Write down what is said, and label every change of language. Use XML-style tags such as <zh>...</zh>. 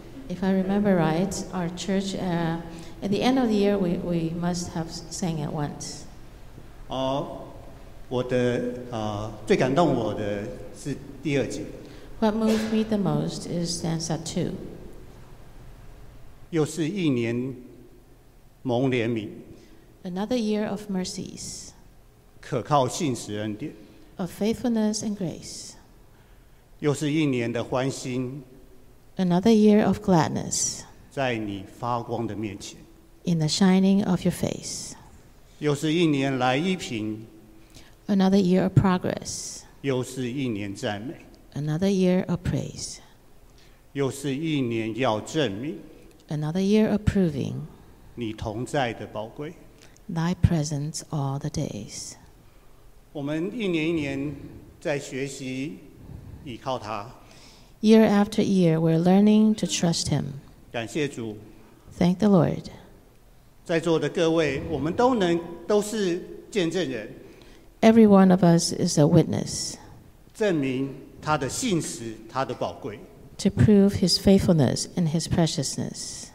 <en>If I remember right, our church at the end of the year we must have sang at once.</en> <zh>我的，最感动我的是第二节。</zh> <en>What moved me the most is stanza two.</en> <zh>又是一年蒙怜悯。</zh> <en>Another year of mercies.</en> <zh>可靠信实恩典。</zh> <en>Of faithfulness and grace.</en> <zh>又是一年的欢欣。</zh> <en>Another year of gladness.</en> <zh>在你发光的面前。</zh> <en>In the shining of your face.</en> <zh>又是一年来一品。</zh> <en>Another year of progress.</en> <zh>又是一年赞美。</zh> <en>Another year of praise.</en> <zh>又是一年要证明。</zh> <en>Another year of proving.</en> <zh>你同在的宝贵。</zh> <en>Thy presence all the days.</en> <zh>我们一年一年在学习倚靠他。</zh> <en>Year after year, we're learning to trust him.</en> <zh>感谢主。</zh> <en>Thank the Lord.</en> <zh>在座的各位，我们都是见证人。</zh> <en>Every one of us is a witness.</en> <zh>证明他的信实，他的宝贵。</zh> <en>To prove his faithfulness and his preciousness.</en>